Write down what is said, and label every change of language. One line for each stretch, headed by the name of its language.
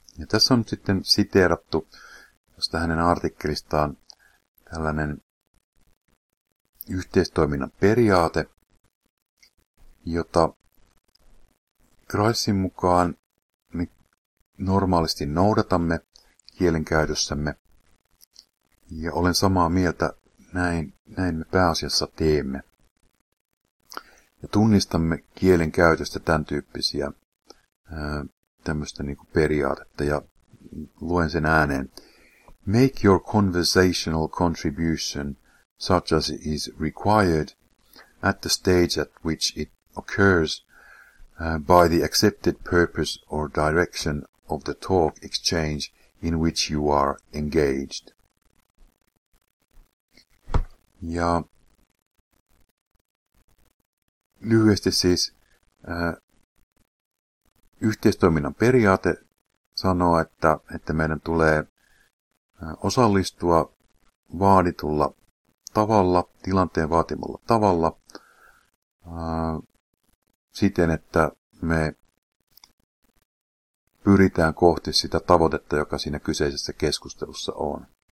Finnish: Ja tässä on nyt sitten siteerattu josta hänen artikkelistaan tällainen yhteistoiminnan periaate, jota Gricen mukaan me normaalisti noudatamme kielenkäytössämme, ja olen samaa mieltä, näin me pääasiassa teemme. Ja tunnistamme kielenkäytöstä tämän tyyppisiä tämmöistä niinku periaatetta, ja luen sen ääneen.
English: Make your conversational contribution such as is required at the stage at which it occurs by the accepted purpose or direction of the talk exchange in which you are engaged.
Finnish: Ja lyhyesti siis yhteistoiminnan periaate sanoo, että meidän tulee osallistua vaaditulla tavalla, tilanteen vaatimalla tavalla, siten, että me pyritään kohti sitä tavoitetta, joka siinä kyseisessä keskustelussa on.